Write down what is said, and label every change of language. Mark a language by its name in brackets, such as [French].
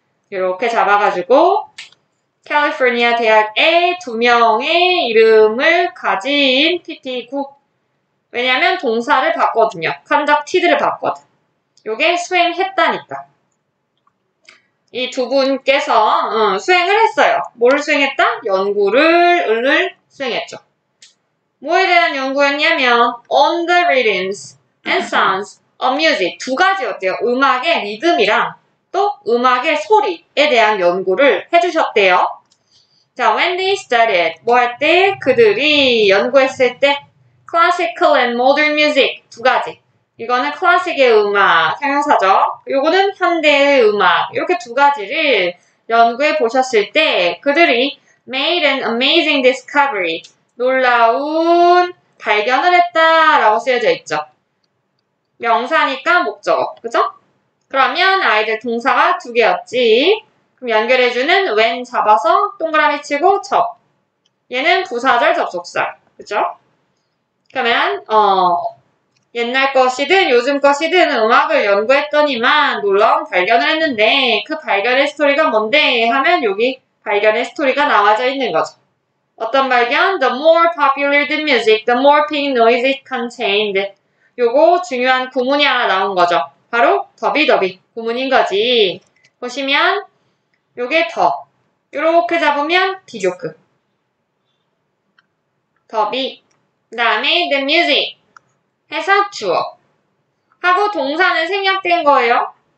[Korean] 이렇게 잡아가지고 캘리포니아 대학의 두 명의 이름을 가진 PP9. 왜냐면 동사를 봤거든요. 컨덕티드를 봤거든. 요게 수행했다니까. 이 두 분께서 수행을 했어요. 뭘 수행했다? 연구를 수행했죠. 뭐에 대한 연구였냐면 on the rhythms and sounds of music. 두 가지 어때요? 음악의 리듬이랑 또 음악의 소리에 대한 연구를 해주셨대요. 자, when they studied, 뭐 할 때? 그들이 연구했을 때 classical and modern music, 두 가지. 이거는 클래식의 음악, 형용사죠. 이거는 현대의 음악, 이렇게 두 가지를 연구해 보셨을 때 그들이 made an amazing discovery, 놀라운 발견을 했다라고 쓰여져 있죠. 명사니까 목적어, 그죠? 그러면 아이들 동사가 두 개였지. 그럼 연결해주는 when 잡아서 동그라미 치고 접. 얘는 부사절 접속사, 그죠? 그러면 옛날 것이든 요즘 것이든 음악을 연구했더니만 놀라운 발견을 했는데 그 발견의 스토리가 뭔데 하면 여기 발견의 스토리가 나와져 있는 거죠. 어떤 발견? [English] The more popular the music, the more pink noise it contained. [Korean] 요거 중요한 구문이 하나 나온 거죠. 바로 더비더비 구문인 거지. 보시면 요게 더. 요렇게 잡으면 비교급. 더비. 그 다음에 the music. 해서 주어. 하고 동사는 생략된 거예요.